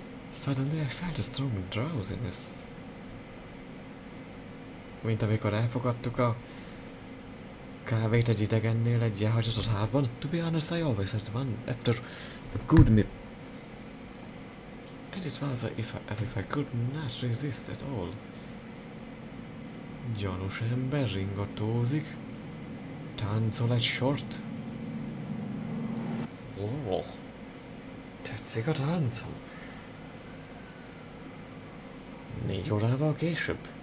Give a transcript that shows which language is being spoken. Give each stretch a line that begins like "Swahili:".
English: Suddenly I felt a strong drowsiness.
Hungarian: Mint amikor elfogadtuk a kávét egy idegennél egy elhagyatott házban.
English: To be honest, I always had one after a good meal. And it was as if I could not resist at all.
Hungarian: Gyanús ember ringatózik. Táncol egy sort. Oh. Tetszik a táncom. 4 órával később.